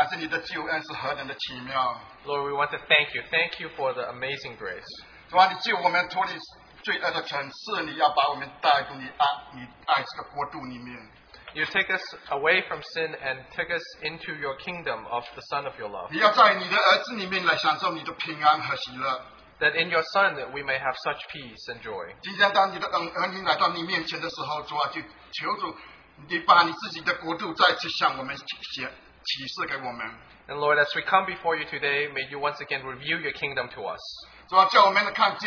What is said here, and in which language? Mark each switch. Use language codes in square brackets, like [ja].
[zh] 我们的主，我们实在感谢你，感谢你的救恩是何等的奇妙。 [en] Lord, we want to thank you. Thank you for the amazing grace. [zh] 主啊，你救我们脱离罪恶的城市，你要把我们带入你爱这个国度里面。 [en] You take us away from sin and take us into your kingdom of the Son of your love. [zh] 你要在你的儿子里面来享受你的平安和喜乐。 [en] That in your Son that we may have such peace and joy. [zh] 今天当你的儿女来到你面前的时候，主啊，就求主。你把你自己的国度再次向我们启示给我们。 [en] And Lord, as we come before you today, may you once again reveal your kingdom to us.